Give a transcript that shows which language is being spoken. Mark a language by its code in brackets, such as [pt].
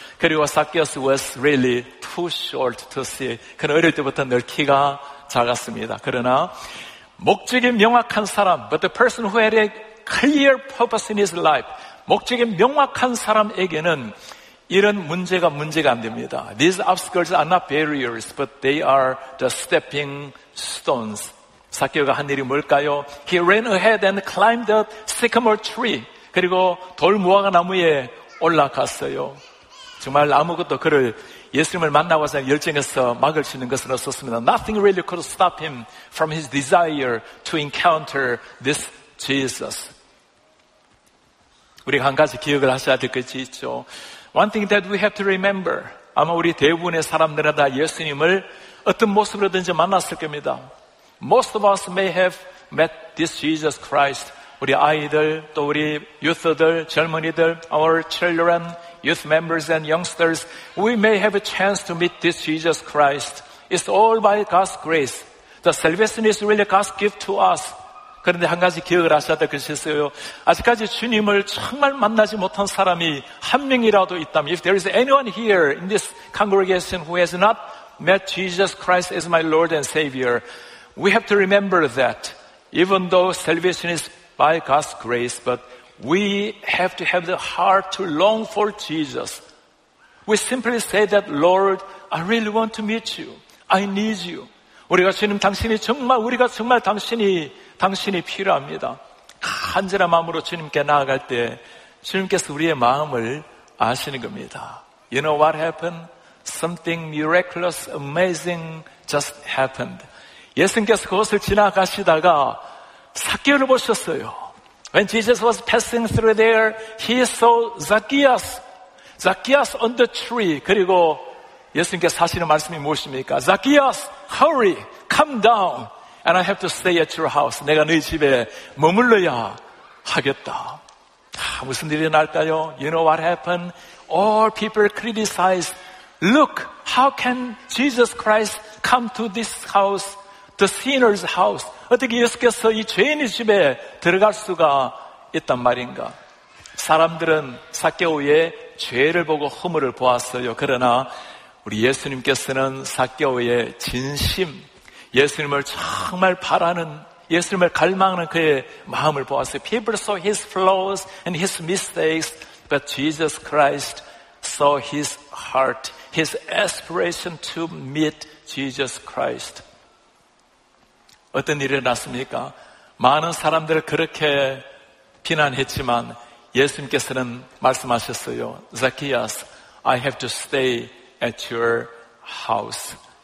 [ko] 그리고 [en] Zacchaeus was really too short to see. [ko] 그는 어릴 때부터 늘 키가 작았습니다. 그러나 목적이 명확한 사람, [en] but the person who had a clear purpose in his life, [ko] 목적이 명확한 사람에게는 이런 문제가 안 됩니다. [en] These obstacles are not barriers, but they are the stepping stones. [ko] 사케오가 한 일이 뭘까요? [en] He ran ahead and climbed the sycamore tree. [ko] 그리고 돌무화과 나무에 올라갔어요. 정말 아무것도 그를 예수님을 만나고서 열정에서 막을 수 있는 것은 없었습니다. [en] Nothing really could stop him from his desire to encounter this Jesus. [ko] 우리가 한 가지 기억을 하셔야 될 것이 있죠. [en] One thing that we have to remember. [ko] 아마 우리 대부분의 사람들은 다 예수님을 어떤 모습으로든지 만났을 겁니다. [en] Most of us may have met this Jesus Christ. [ko] 우리 아이들, 또 우리 유스들, 젊은이들, [en] our children, youth members and youngsters. We may have a chance to meet this Jesus Christ. It's all by God's grace. The salvation is really God's gift to us. [ko] 그런데 한 가지 기억을 하셔야 될 것이 있어요. 아직까지 주님을 정말 만나지 못한 사람이 한 명이라도 있다면, [en] If there is anyone here in this congregation who has not met Jesus Christ as my Lord and Savior, we have to remember that even though salvation is by God's grace, but we have to have the heart to long for Jesus. We simply say that, Lord, I really want to meet you. I need you. [ko] 우리가 주님 당신이 정말 우리가 정말 당신이 필요합니다. 간절한 마음으로 주님께 나아갈 때 주님께서 우리의 마음을 아시는 겁니다. [en] You know what happened? Something miraculous, amazing just happened. [ko] 예수님께서 그곳을 지나가시다가 사케오를 보셨어요. [en] When Jesus was passing through there, he saw Zacchaeus. Zacchaeus on the tree. [ko] 그리고 예수님께서 하시는 말씀이 무엇입니까? [en] Zacchaeus, hurry, come down. And I have to stay at your house. [ko] 내가 너희 집에 머물러야 하겠다. 아, 무슨 일이 날까요? [en] You know what happened? All people criticized. Look, how can Jesus Christ come to this house, the sinner's house? [ko] 어떻게 예수께서 이 죄인의 집에 들어갈 수가 있단 말인가? 사람들은 사케오의 죄를 보고 허물을 보았어요. 그러나 우리 예수님께서는 사케오의 진심, 예수님을 정말 바라는, 예수님을 갈망하는 그의 마음을 보았어요. [en] People saw his flaws and his mistakes, but Jesus Christ saw his heart, his aspiration to meet Jesus Christ. [ko] 어떤 일이 일어났습니까? 많은 사람들을 그렇게 비난했지만 예수님께서는 말씀하셨어요. [en] Zacchaeus, I have to stay at your house.